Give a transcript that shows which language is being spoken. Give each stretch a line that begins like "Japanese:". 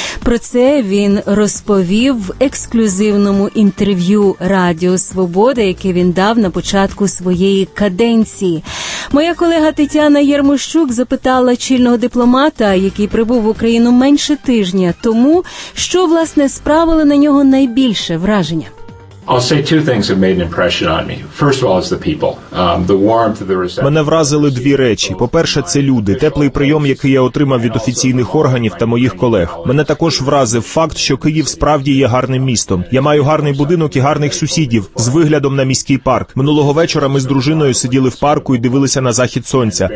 Ukrainian: Про це він розповів в ексклюзивному інтерв'ю Радіо Свобода, яке він дав на початку своєї каденції. Моя колега Тетяна Єрмощук запитала чільного дипломата, який прибув в Україну менше тижня тому, що, власне, справило на нього найбільше враження.
English: I'll say two things that made an impression on me. First of all, it's the people. The warmth, the reception.
Ukrainian: Мене вразили дві речі. По-перше, це люди. Теплий прийом, який я отримав від офіційних органів та моїх колег. Мене також вразив факт, що Київ справді є гарним містом. Я маю гарний будинок і гарних сусідів з виглядом на міський парк. Минулого вечора ми з дружиною сиділи в парку і дивилися на захід сонця.